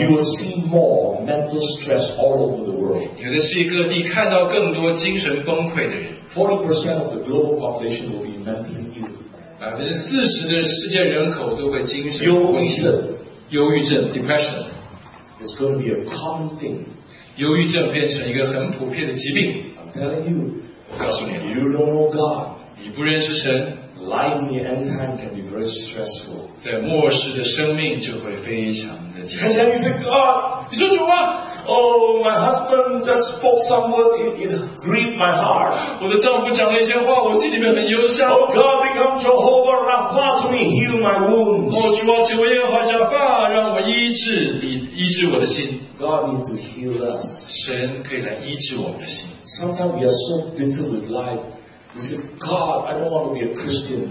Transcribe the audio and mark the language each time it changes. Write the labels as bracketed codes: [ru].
[en] you will see more mental stress all over the world. [zh] 有的世界各地看到更多精神崩溃的人. [en] 40% of the global population will be mentally ill. [zh] 40%的世界人口都会精神崩溃. 忧郁症, depression. [en] It's going to be a common thing. [zh] 忧郁症变成一个很普遍的疾病. [en] I'm telling you. [zh] 我告诉你, [en] you don't know God. [zh] 你不认识神, [en] life in the end time can be very stressful. [zh] 在末世的生命就会非常的紧张. [en] And then you say, God, [zh] 你说主啊, [en] oh, my husband just spoke some words, it grieved my heart. [zh] 我的丈夫讲了一些话, 我心里面很忧伤. [en] Oh God, become Jehovah Rapha to me, heal my wounds. [zh] 哦主啊，请问耶和华Rapha, 让我医治, 医治我的心。 [en] God needs to heal us. [zh] 神可以来医治我们的心。 [en] Sometimes we are so bitter with life. We say, God, I don't want to be a Christian.